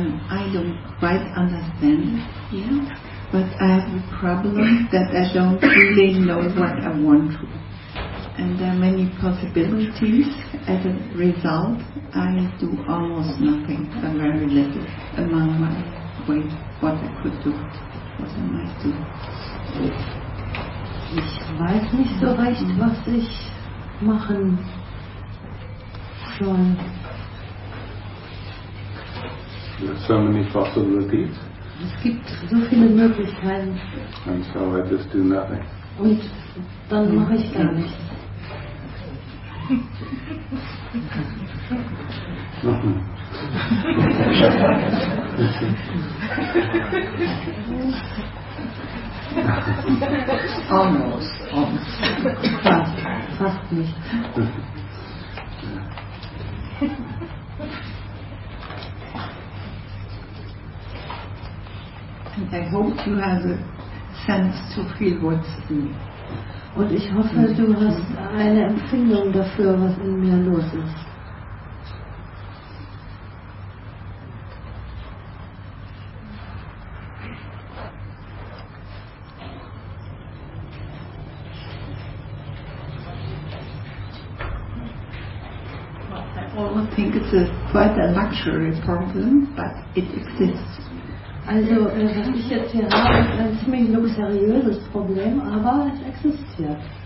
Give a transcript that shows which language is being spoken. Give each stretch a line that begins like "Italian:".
English: I don't quite understand it here, but I have a problem that I don't really know what I want to. And there are many possibilities. As a result, I do almost nothing, a very little, among my ways, what I could do, what I might do.
German: Ich weiß nicht so recht, was ich machen soll.
English: So many possibilities.
German: Es gibt so viele Möglichkeiten.
English: And so I just do nothing.
German: Und dann mache ich gar nichts.
English: Almost.
German: Fast nicht.
English: And I hope you have a sense to feel what's in me.
German: Und ich hoffe, du hast eine Empfindung dafür, was in mir los ist.
English: Well, I almost think it's quite a luxury problem, but it exists.
German: Also, was ich jetzt hier habe, ist ein ziemlich luxuriöses Problem, aber es existiert.